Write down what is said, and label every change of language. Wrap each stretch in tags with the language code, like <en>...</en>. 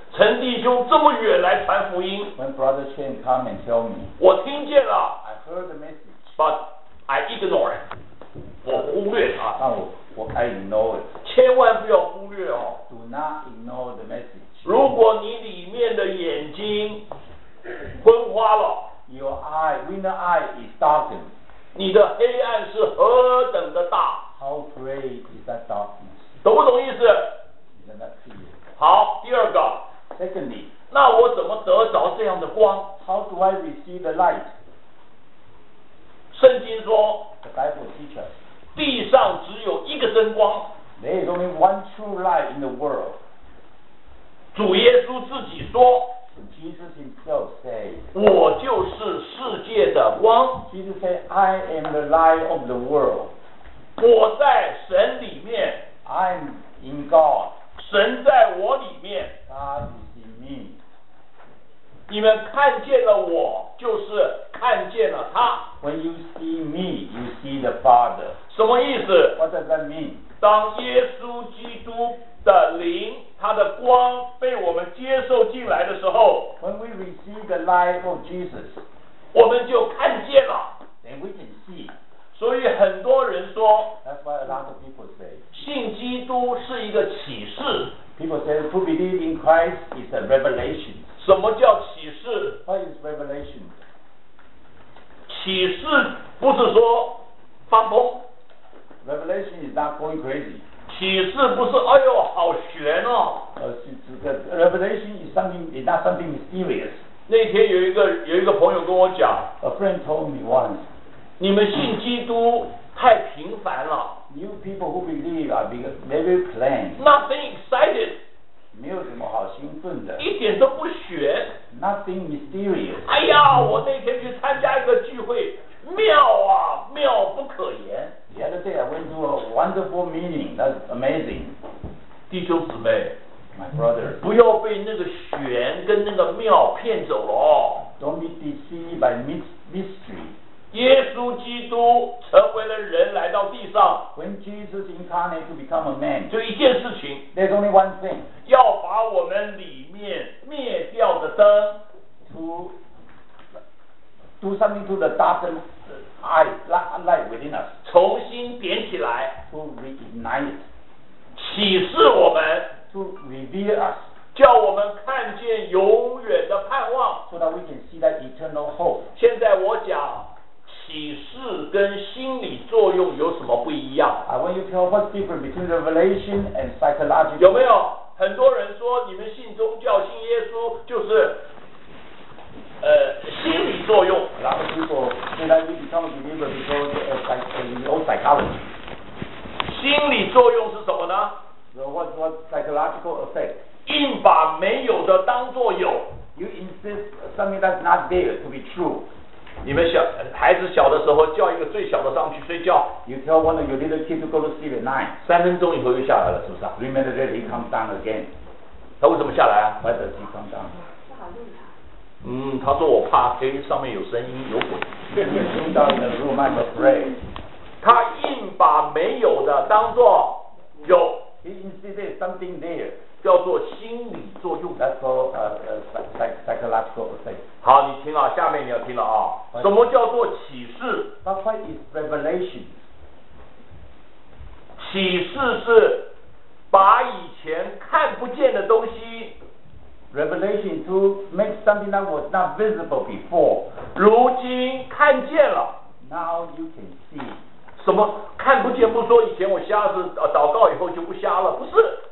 <zh>陈弟兄这么远来传福音</zh> <en>，When brother Chen come and tell me，</en> <zh>我听见了</zh> <en>，I heard the message， but I ignore it，</en> <zh>我忽略它，但我</zh> <en>I ignore it，</en> <zh>千万不要忽略哦</zh> <en>，Do not ignore the message。</en> <zh>如果你里面的眼睛昏花了</zh> <en>，Your eye, inner eye is darkened.</en> <zh>你的黑暗是何等的大。</zh> <en>How great is that darkness?</en> <zh>懂不懂意思？</zh> <en>Is that not clear?</en> <zh>好，第二个。</zh> <en>Secondly,</en> <zh>那我怎么得着这样的光？</zh> <en>How do I receive the light?</en> <zh>圣经说，</zh> <en>The Bible teaches,</en> <zh>地上只有一个真光。</zh> <en>There is only one true light in the world.</en> <zh>主耶稣自己说，</zh> <en>so Jesus himself said,</en> <zh>我就是世界的光。</zh> <en>Jesus said, I am the light of the world.</en> <zh>我在神里面，</zh> <en>I'm in God.</en> <zh>神在我里面，</zh> <en>God is in me.</en> <zh>你们看见了我，就是看见了他。</zh> <en>When you see me, you see the Father.</en> <zh>什么意思？</zh> <en>What does that mean?</en> <zh>当耶稣基督的灵，他的光被我们接受进来的时候，</zh> <en>When we receive the light of Jesus,</en> <zh>我们就看见了。</zh> <en>Then we can see.</en> <zh>所以很多人说，</zh> <en>That's why a lot of people say,</en> <zh>信基督是一个启示。</zh> <en>People say to believe in Christ is a revelation.</en> <zh>什么叫启示？</zh> <en>What is revelation?</en> <zh>启示不是说发疯。</zh> <en>Revelation is not going crazy.</en> <zh>启示不是，哎呦，好玄哦。</zh> <en>Revelation is something, is not something mysterious.</en> <zh>那天有一个朋友跟我讲。</zh> <en>A friend told me once.</en> <zh>你们信基督太平凡了。</zh> <en>New people who believe are being very plain. Nothing excited.</en> <zh>没有什么好兴奋的。一点都不玄。</zh> <en>Nothing mysterious.</en> <zh>哎呀，我那天去参加一个聚会，妙啊，妙不可言。</zh> <en>The other day I went to a wonderful meeting. That's amazing.</en> <zh>弟兄姊妹，</zh> <en>my brother,</en> <zh>不要被那个玄跟那个妙骗走了。</zh> <en>Don't be deceived by mystery.</en> <zh>耶稣基督成为了人来到地上。</zh> <en>When Jesus incarnate to become a man,</en> <zh>就一件事情。</zh> <en>There's only one thing.</en> <zh>要把我们里面灭掉的灯。</zh> <en>To do something to the darkened light within us.</en> <zh>重新点起来。</zh> <en>To reignite.</en> <zh>启示我们。</zh> <en>To reveal us.</en> <zh>叫我们看见永远的盼望。</zh> <en>So that we can see that eternal hope.</en> <zh>现在我讲启示跟心理作用有什么不一样。</zh> <en>I want you to tell what's different between revelation and psychological.</en> <zh>有没有很多人说你们信宗教信耶稣就是心理作用。</zh> <en>A lot of people say that you become a believer because of your psychology.</en> <zh>心理作用是什么呢？</zh> <en>So what psychological effect?</en> <zh>硬把没有的当作有。</zh> <en>You insist something that's not there to be true.</en> <zh>你们小孩子小的时候叫一个最小的上去睡觉。</zh> <en>You tell one of your little kids to go to sleep at night.</en> <zh>三分钟以后又下来了，是不是？</zh> <en>Three minutes later he comes down again.</en> <zh>他为什么下来啊？</zh> <en>Why does he come down?</en> <zh>他说我怕黑，上面有声音，有鬼。他硬把没有的当作有。</zh> <en>He insisted something there.</en> <zh>叫做心理作用。</zh> <en>That's called psychological effect.</en> <zh>好，你听啊，下面你要听了啊。什么叫做启示？</zh> <en>But what is revelation?</en> <zh>启示是把以前看不见的东西。</zh> <en>Revelation to make something that was not visible before.</en> <zh>如今看见了。</zh> <en>Now you can see.</en> <zh>什么看不见不说，以前我瞎子祷告以后就不瞎了，不是。</zh>